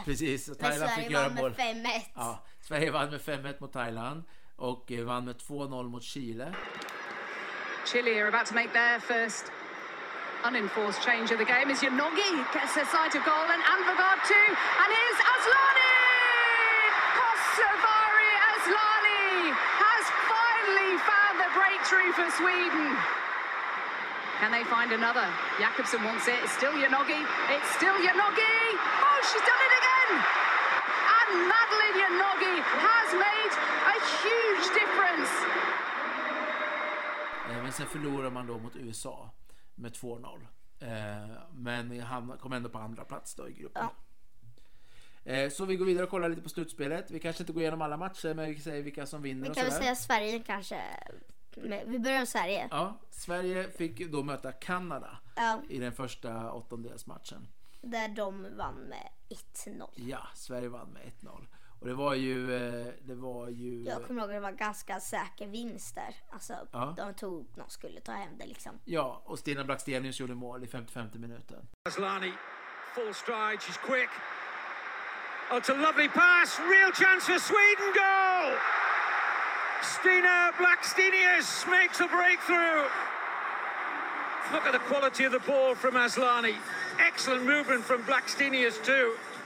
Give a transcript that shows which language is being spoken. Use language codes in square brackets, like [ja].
[sv] Precis, och Thailand fick göra mål. Sverige vann med 5-1. Ja, Sverige vann med 5-1 mot Thailand och vann med 2-0 mot Chile. [en] Chile are about to make their first unenforced change of the game as Yonogi gets a sight of goal and Anvergaard too, and here's Aslani. Kosovari Aslani has finally found the breakthrough for Sweden. Can they find another? Jakobsen wants it. It's still Yonogi. It's still Yonogi. Oh, she's done it again. And Madeline Yonogi has made a huge difference. [sv] Men sen förlorar man då mot USA med 2-0. Men han kom ändå på andra plats då i gruppen. Ja. Så vi går vidare och kollar lite på slutspelet. Vi kanske inte går igenom alla matcher, men vi kan säga vilka som vinner. Vi kan väl säga Sverige kanske. Vi börjar med Sverige. Ja, Sverige fick då möta Kanada i den första åttondelsmatchen. Där de vann med 1-0. Ja, Sverige vann med 1-0. Och det var ju, det var ju... Jag kommer ihåg att det var ganska säker vinst där. Alltså, de tog, de skulle ta hem det liksom. Ja, och Stina Blackstenius gjorde mål i 55 minuten. [en] Aslani, full stride, she's quick. Oh, it's a lovely pass, real chance for Sweden, goal! Stina Blackstenius makes a breakthrough. Look at the quality of the ball from Aslani. Excellent movement from Blackstenius too.